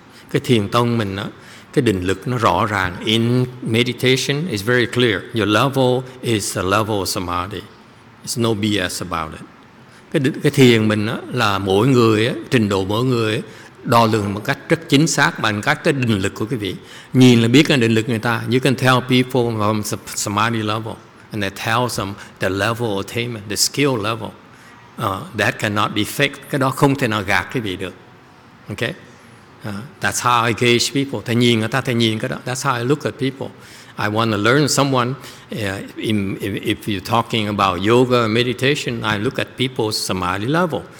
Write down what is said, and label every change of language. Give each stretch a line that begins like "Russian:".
Vietnamese: Cái thiền tông mình đó, cái định lực nó rõ ràng.
English: In meditation, it's very clear. Your level is the level of samadhi. It's no BS about it.
Vietnamese: Cái thiền mình đó, là mỗi người ấy, trình độ mỗi người ấy, đo lường một cách rất chính xác bằng các cái định lực của quý vị. Nhìn là biết cái định lực người ta.
English: You can tell people from the samadhi level and they tell them the level of attainment, the skill level. That cannot be faked.
Vietnamese: Cái đó không thể nào gạt quý vị được.
English: Okay? That's how I gauge people.
Vietnamese: Thầy nhìn người ta, thầy nhìn cái đó.
English: That's how I look at people. I want to learn someone. If you're talking about yoga or meditation, I look at people's samadhi level.